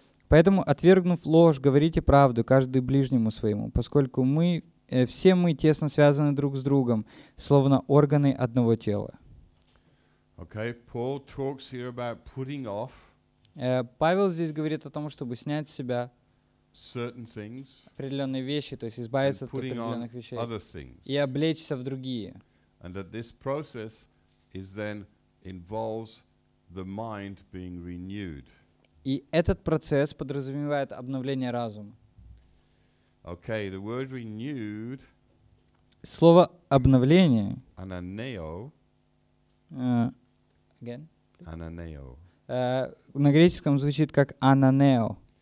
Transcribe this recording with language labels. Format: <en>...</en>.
<ru>Поэтому, отвергнув ложь, говорите правду каждый ближнему своему, поскольку мы, все мы тесно связаны друг с другом, словно органы одного тела.</ru> <en>Okay, Paul talks here about putting off.</en> <ru>Павел здесь говорит о том, чтобы снять с себя</ru> <en>certain things,</en> <ru>определенные вещи, то есть избавиться от определенных вещей</ru> <en>other things,</en> <ru>и облечься в другие.</ru> <en>And that this process is then involves the mind being renewed.</en> <ru>И этот процесс подразумевает обновление разума.</ru> <en>Okay, the word renewed,</en> <ru>слово обновление,</ru> <el>ananeo,</el> <en>again,</en> <el>ananeo.</el> <ru>На греческом звучит как ананео.</ru>